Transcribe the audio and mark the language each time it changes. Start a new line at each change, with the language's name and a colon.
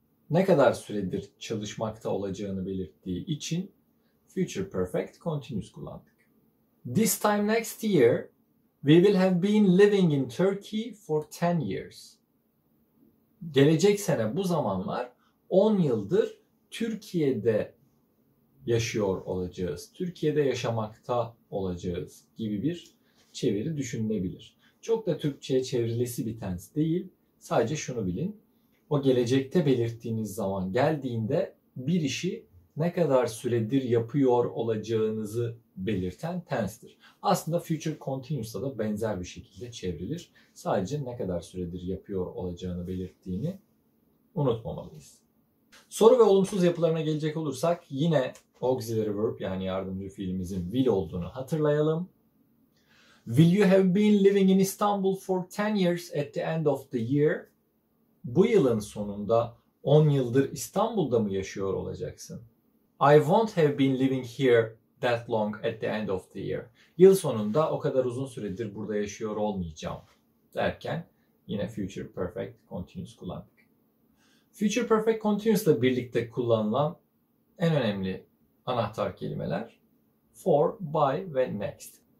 Turkish: Ne kadar süredir çalışmakta olacağını belirttiği için future perfect continuous kullandık.
English: This time next year, we will have been living in Turkey for 10 years.
Turkish: Gelecek sene bu zamanlar 10 yıldır Türkiye'de yaşıyor olacağız, Türkiye'de yaşamakta olacağız gibi bir çeviri düşünülebilir. Çok da Türkçe'ye çevrilesi bir tense değil. Sadece şunu bilin, o gelecekte belirttiğiniz zaman geldiğinde bir işi ne kadar süredir yapıyor olacağınızı belirten tense'dir. Aslında future continuous'a da benzer bir şekilde çevrilir. Sadece ne kadar süredir yapıyor olacağını belirttiğini unutmamalıyız. Soru ve olumsuz yapılarına gelecek olursak yine auxiliary verb yani yardımcı fiilimizin will olduğunu hatırlayalım.
English: Will you have been living in Istanbul for 10 years at the end of the year?
Turkish: Bu yılın sonunda 10 yıldır İstanbul'da mı yaşıyor olacaksın?
English: I won't have been living here that long at the end of the year.
Turkish: Yıl sonunda o kadar uzun süredir burada yaşıyor olmayacağım derken yine future perfect continuous kullandım. Future Perfect Continuous ile birlikte kullanılan en önemli anahtar kelimeler for, by ve next.